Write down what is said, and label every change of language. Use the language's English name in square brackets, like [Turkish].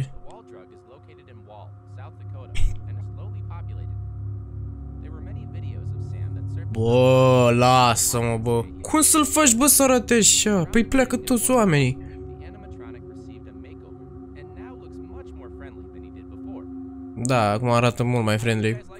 [English] The wall drug is located in Wall, South Dakota, and is slowly populated. There were many videos of Sam that surfaced. [Romanian] Bă, lasă-mă, bă. Cum să-l faci, bă, să arate așa? Păi pleacă toți oamenii. [English] The animatronic received a makeover and now looks much more friendly than he did before. [Romanian] Da, acum arată mult mai friendly.